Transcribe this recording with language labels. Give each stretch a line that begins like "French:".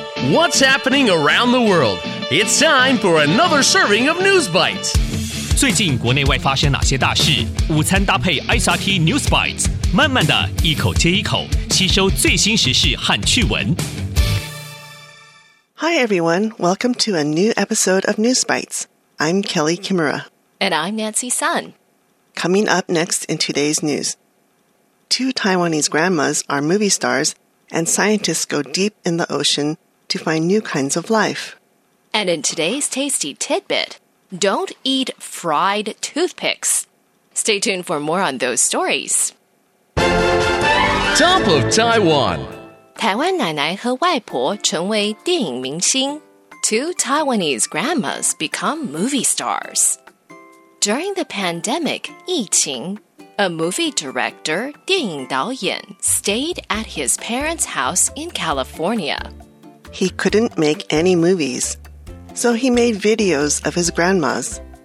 English: What's happening around the world? It's time for another serving of News Bites.
Chinese: 最近国内外发生哪些大事？午餐搭配 SRT News Bites， 慢慢的一口接一口，吸收最新时事和趣闻。
English: Hi everyone, welcome to a new episode of News Bites. I'm Kelly Kimura. And I'm Nancy Sun. Coming up next in today's news. Two Taiwanese grandmas are movie stars, and scientists go deep in the ocean to find new kinds of life. And in today's tasty tidbit, don't eat fried toothpicks. Stay tuned for more on those stories. Top of Taiwan.
Chinese: 台湾奶奶和外婆成为电影明星。
English: Two Taiwanese grandmas become movie stars. During the pandemic,
Chinese: 疫情
English: A movie director,
Chinese: 电影导演,
English: stayed at his parents' house in California. He couldn't make any movies, so he made videos of his grandmas.